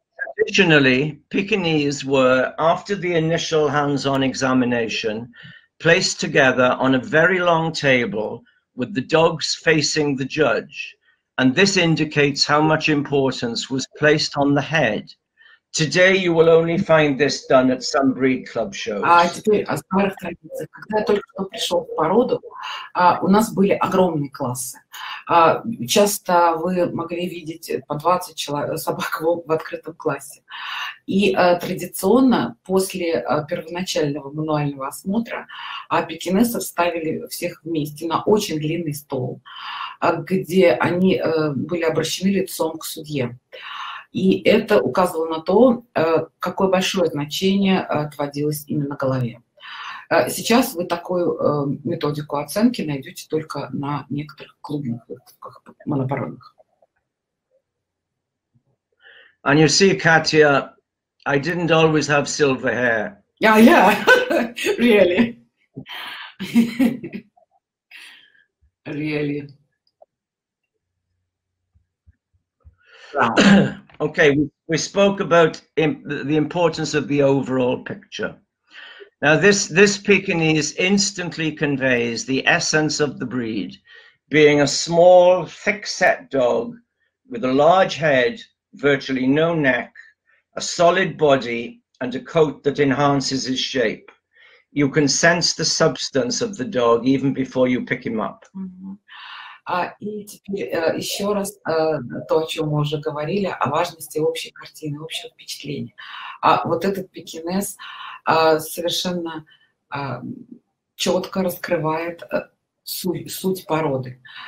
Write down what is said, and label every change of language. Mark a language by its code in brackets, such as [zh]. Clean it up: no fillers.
[en] Additionally, Pekinese were, after the initial hands-on examination, placed together on a very long table with the dogs facing the judge. And this indicates how much importance was placed on the head. Today you will only find this done at some breed club shows. [ru] А теперь о старых традициях. Когда я только что пришел в породу, у нас были огромные классы. Часто вы могли видеть по 20 человек, собак в открытом классе. И традиционно после первоначального мануального осмотра пекинесов ставили всех вместе на очень длинный стол, где они были обращены лицом к судье. И это указывало на то, какое большое значение отводилось именно голове. Сейчас вы такую методику оценки найдете только на некоторых клубных выставках монопородных. [en] And you see, Katia, I didn't always have silver hair. Yeah, yeah, really. Really. Okay, we spoke about the importance of the overall picture. Now, this Pekinese instantly conveys the essence of the breed, being a small, thick-set dog with a large head, virtually no neck, a solid body, and a coat that enhances his shape. You can sense the substance of the dog even before you pick him up. Mm-hmm. [ru] И теперь еще раз то, о чем мы уже говорили, о важности общей картины, общего впечатления. Вот этот пекинес совершенно четко раскрывает суть породы.